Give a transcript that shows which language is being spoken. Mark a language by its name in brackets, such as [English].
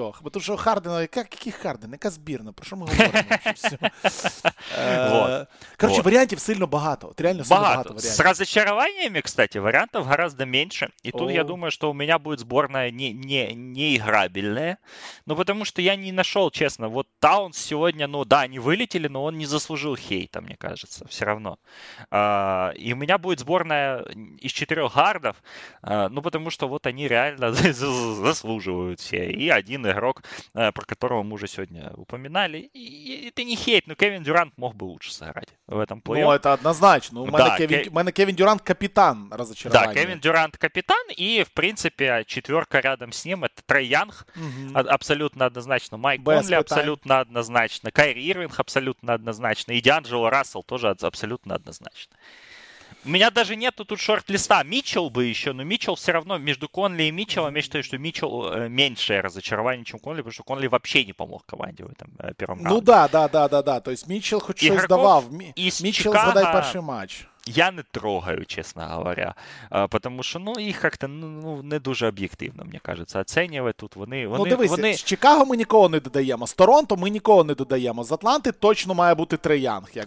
[Ukrainian] Тому що Харден, який Харден, яка збірна, про що ми говоримо? Короче, варіантів сильно багато. Реально сильно багато варіантів. З разочарованнями, [Russian] кстати, [Ukrainian] варіантів [Russian] гораздо [Ukrainian] менше. І тут я думаю, що у мене буде зборна неіграбельна. Ну, тому що я не знайшов, чесно, [Russian] от Таунс сегодня, ну да, они вылетели, но он не заслужил хейта, мне кажется, все равно. И у меня будет сборная из четырех гардов, ну потому что вот они реально заслуживают все. И один игрок, про которого мы уже сегодня упоминали. И это не хейт, но Кевин Дюрант мог бы лучше сыграть в этом плей. Ну это однозначно. У меня, да, Кевин Дюрант капитан разочарования. Да, Кевин Дюрант капитан, и в принципе четверка рядом с ним это Трей Янг, абсолютно однозначно. Майк Конли абсолютно однозначно. Кайри Ирвинг абсолютно однозначно. И Д'Анджело Рассел тоже абсолютно однозначно. У меня даже нету тут шорт-листа. Митчелл бы еще, но Митчелл все равно между Конли и Митчеллом, я считаю, что Митчелл меньшее разочарование, чем Конли, потому что Конли вообще не помог команде в этом первом раунде. Ну да, да, да, да, да. То есть Митчелл хоть что-то сдавал. Митчелл, Чикаго... [Ukrainian] задай перший матч. Я не трогаю, [Russian] чесно говоря, [Ukrainian] потому що, ну, їх як-то, ну, не дуже об'єктивно, мені кажеться, оцінювати тут вони. Ну, дивись, вони... з Чикаго ми нікого не додаємо, з Торонто ми нікого не додаємо, з Атланти точно має бути Трей Янг, як